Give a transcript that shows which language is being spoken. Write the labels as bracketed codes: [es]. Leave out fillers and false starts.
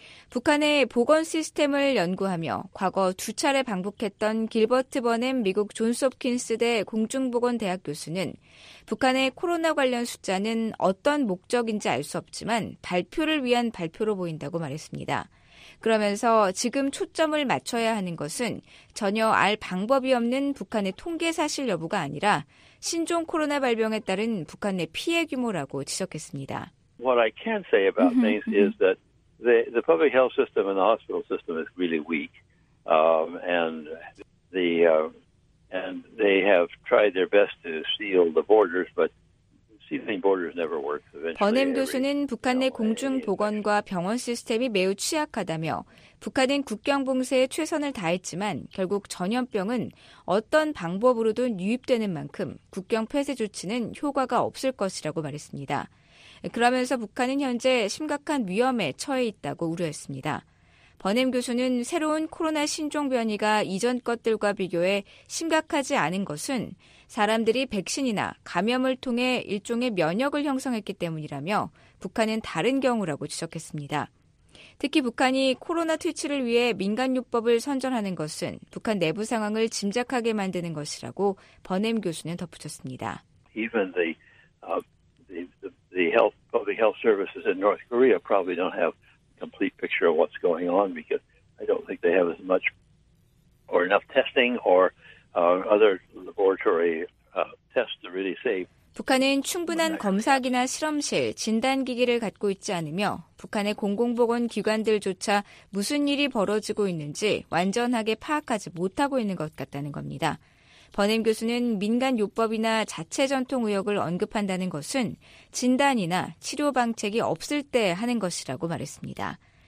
[ko] 북한의 보건 시스템을 연구하며 과거 두 차례 방북했던 길버트 버넴 미국 존스홉킨스대 공중보건대학 교수는 북한의 코로나 관련 숫자는 어떤 목적인지 알 수 없지만 발표를 위한 발표로 보인다고 말했습니다. 그러면서 지금 초점을 맞춰야 하는 것은 전혀 알 방법이 없는 북한의 통계 사실 여부가 아니라 신종 코로나 발병에 따른 북한의 피해 규모라고 지적했습니다. [en] What I can say about things is that the public health system and the hospital system is really weak. And they have tried their best to seal the borders, but [ko] 버넴 교수는 북한 내 공중보건과 병원 시스템이 매우 취약하다며 북한은 국경 봉쇄에 최선을 다했지만 결국 전염병은 어떤 방법으로든 유입되는 만큼 국경 폐쇄 조치는 효과가 없을 것이라고 말했습니다. 그러면서 북한은 현재 심각한 위험에 처해 있다고 우려했습니다. 버넴 교수는 새로운 코로나 신종 변이가 이전 것들과 비교해 심각하지 않은 것은 사람들이 백신이나 감염을 통해 일종의 면역을 형성했기 때문이라며 북한은 다른 경우라고 지적했습니다. 특히 북한이 코로나 퇴치를 위해 민간요법을 선전하는 것은 북한 내부 상황을 짐작하게 만드는 것이라고 버넴 교수는 덧붙였습니다. [en] Even the health services in North Korea probably don't have complete picture of what's going on because I don't think they have as much or enough testing or other laboratory tests to really say. [ko] 북한은 충분한 검사기나 실험실, 진단기기를 갖고 있지 않으며 북한의 공공보건 기관들조차 무슨 일이 벌어지고 있는지 완전하게 파악하지 못하고 있는 것 같다는 겁니다. 버넴 교수는 민간 요법이나 자체 전통 의혹을 언급한다는 것은 진단이나 치료 방책이 없을 때 하는 것이라고 말했습니다.